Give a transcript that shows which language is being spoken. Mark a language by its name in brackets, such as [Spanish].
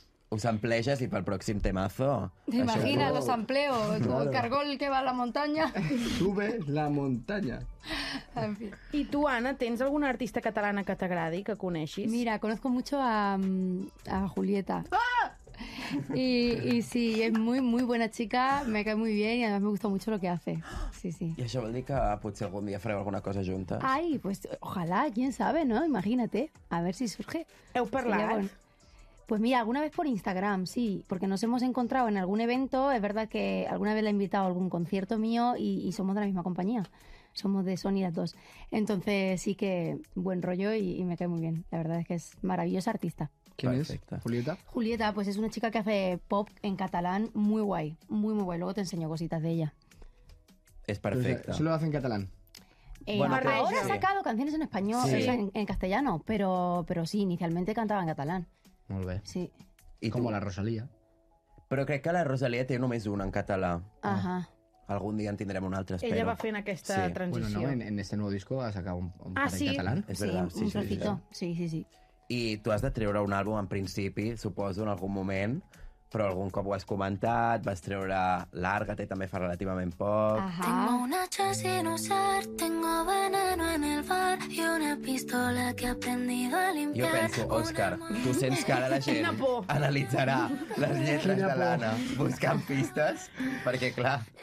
[Catalan] Us ampleges i pel pròxim temazo... [Spanish] T'imagina, los ampleo, tu claro. [Catalan] Cargol que va a la muntanya. [Spanish] Sube la muntanya. [Catalan] En fi. I tu, Anna, tens alguna artista catalana que t'agradi, que coneixis? [Spanish] Mira, conozco mucho a Julieta. ¡Ah! Y sí, es muy, muy buena chica, me cae muy bien y además me gusta mucho lo que hace. Sí, sí. [Catalan] I això vol dir que potser algun dia fareu alguna cosa juntes? [Spanish] Ay, pues ojalá, quién sabe, ¿no? Imagínate, a ver si surge. [Catalan] Heu parlat. Sí, [Spanish] pues mira, alguna vez por Instagram, sí, porque nos hemos encontrado en algún evento, es verdad que alguna vez la he invitado a algún concierto mío y somos de la misma compañía, somos de Sony las dos. Entonces sí que buen rollo y me cae muy bien, la verdad es que es maravillosa artista. ¿Quién es? ¿Julieta? Julieta, pues es una chica que hace pop en catalán muy guay, muy muy guay, luego te enseño cositas de ella. Es perfecta. ¿Solo hace en catalán? Ahora ha sacado canciones en español, sí. O sea, en castellano, pero sí, inicialmente cantaba en catalán. [Catalan] Molt bé. Sí. I com la Rosalia. Però crec que la Rosalia té només una en català. Ajà. Algun dia en tindrem un altre, espero. Ella va fent aquesta sí. transició. [Spanish] Bueno, no, en este nuevo disco [Catalan] ha sacat un parell [Spanish] sí. [Catalan] català. [Spanish] Sí, verdad, sí, un trocito. Sí. [Catalan] I tu has de treure un àlbum en principi, suposo, en algun moment, però algun cop ho has comentat, vas treure Lárgate, també fa relativament poc. Ajà. [Spanish] Tengo un hacha sin usar, tengo veneno en el bar y una pistola que he aprendido a limpiar. [Catalan] Jo penso, Òscar, tu sents que ara la gent analitzarà les lletres de l'Anna buscant pistes, perquè, clar...